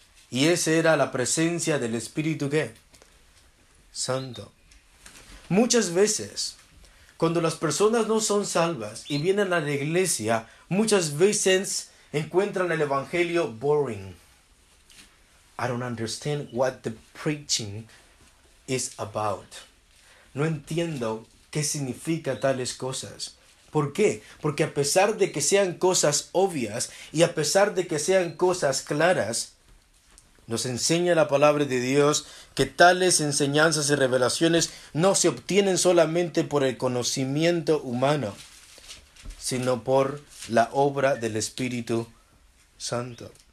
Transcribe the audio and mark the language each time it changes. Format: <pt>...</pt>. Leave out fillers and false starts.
<es>Y esa era la presencia del Espíritu, ¿qué? Santo. Muchas veces, cuando las personas no son salvas y vienen a la iglesia, muchas veces encuentran el Evangelio boring.</es> <en>I don't understand what the preaching is about.</en> <es>No entiendo qué significa tales cosas. ¿Por qué? Porque a pesar de que sean cosas obvias y a pesar de que sean cosas claras, nos enseña la palabra de Dios que tales enseñanzas y revelaciones no se obtienen solamente por el conocimiento humano, sino por la obra del Espíritu Santo.</es>